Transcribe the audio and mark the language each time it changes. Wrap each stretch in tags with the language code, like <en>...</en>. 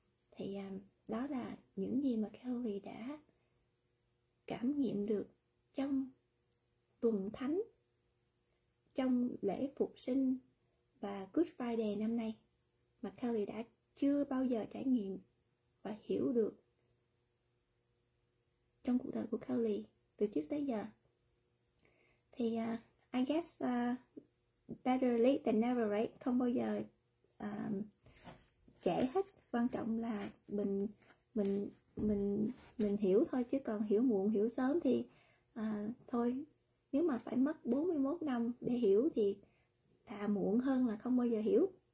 <vi>Thì đó là những gì mà Kelly đã cảm nghiệm được trong tuần thánh, trong lễ phục sinh và Good Friday năm nay, mà Kelly đã chưa bao giờ trải nghiệm và hiểu được trong cuộc đời của Kelly từ trước tới giờ.</vi> <en>Thì I guess better late than never, right?</en> <vi>Không bao giờ trễ hết, quan trọng là mình hiểu thôi, chứ còn hiểu muộn hiểu sớm thì thôi, nếu mà phải mất 41 năm để hiểu thì thà muộn hơn là không bao giờ hiểu.</vi>